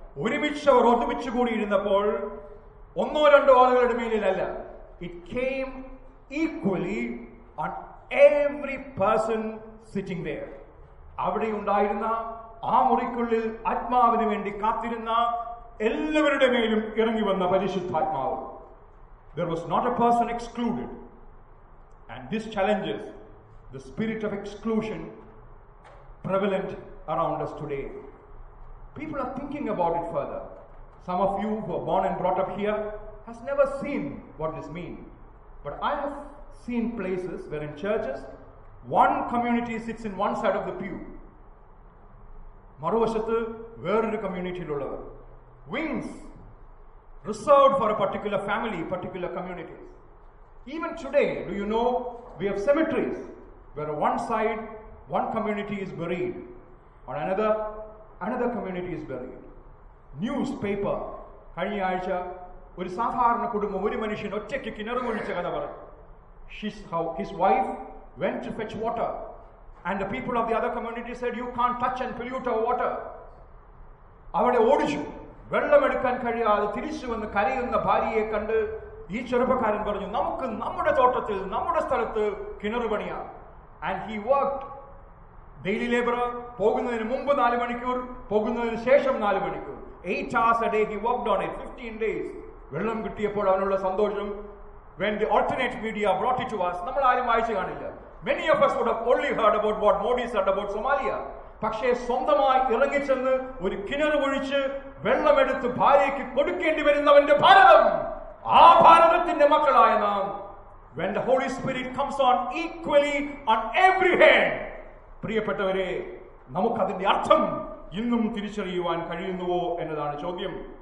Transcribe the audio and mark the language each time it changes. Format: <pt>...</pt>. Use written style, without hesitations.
<ml>ഒരുമിച്ച് അവർ ഒരുമിച്ച് കൂടിയിരുന്നപ്പോൾ ഒന്നോ രണ്ടോ ആളുകളുടെ മേലിലല്ല,</ml> <en>It came equally on every person sitting there.</en> <ml>അവിടെ ഉണ്ടായിരുന്ന ആ മുറിക്കുള്ളിൽ ആത്മാവിന് വേണ്ടി കാത്തിരുന്ന എല്ലാവരുടെ മേലും ഇറങ്ങി വന്ന പരിശുദ്ധാത്മാവ്.</ml> <en>There was not a person excluded. And this challenges the spirit of exclusion prevalent around us today. People are thinking about it further. Some of you who are born and brought up here has never seen what this means. But I have seen places where in churches, one community sits in one side of the pew.</en> <ml>മറുവശത്ത് വേറൊരു കമ്മ്യൂണിറ്റിയിലുള്ളവർ.</ml> <en>Wings reserved for a particular family, particular communities. Even today, do you know, we have cemeteries where one side, one community is buried, on another community is buried.</en> <ml>Newspaper, കഴിഞ്ഞ ആഴ്ച ഒരു സാധാരണ കുടുംബം ഒരു മനുഷ്യൻ ഒറ്റയ്ക്ക് കിണറ് കുഴിച്ച കഥ പറഞ്ഞു.</ml> <en>His wife went to fetch water, and the people of the other community said, you can't touch and pollute our water.</en> <ml>അവിടെ ഓടിച്ചു. വെള്ളമെടുക്കാൻ കഴിയാതെ തിരിച്ചു വന്ന് കരയുന്ന ഭാര്യയെ കണ്ട് ഈ ചെറുപ്പക്കാരൻ പറഞ്ഞു, നമുക്ക് നമ്മുടെ തോട്ടത്തിൽ നമ്മുടെ സ്ഥലത്ത് കിണറുപണിയാം.</ml> <en>And he worked daily labourer.</en> <ml>പോകുന്നതിന് മുമ്പ് 4 മണിക്കൂർ, പോകുന്നതിന് ശേഷം 4 മണിക്കൂർ.</ml> <en>8 hours a day he worked on it. 15 days</en> <ml>വെള്ളം കിട്ടിയപ്പോൾ അവനുള്ള സന്തോഷം.</ml> <en>When the alternate media brought it to us,</en> <ml>നമ്മൾ ആരും വായിച്ചു കാണില്ല.</ml> <en>Many of us would have only heard about what Modi said about Somalia.</en> <ml>പക്ഷേ സ്വന്തമായി ഇറങ്ങിച്ചെന്ന് ഒരു കിണർ കുഴിച്ച് വെള്ളമെടുത്ത് ഭാര്യയ്ക്ക് കൊടുക്കേണ്ടി വരുന്നവന്റെ ഭാരതം, ആ ഭാരതത്തിന്റെ മക്കളായ നാം.</ml> <en>When the Holy Spirit comes on equally on every hand,</en> <ml>പ്രിയപ്പെട്ടവരെ, നമുക്കതിന്റെ അർത്ഥം ഇന്നും തിരിച്ചറിയുവാൻ കഴിയുന്നുവോ എന്നതാണ് ചോദ്യം.</ml>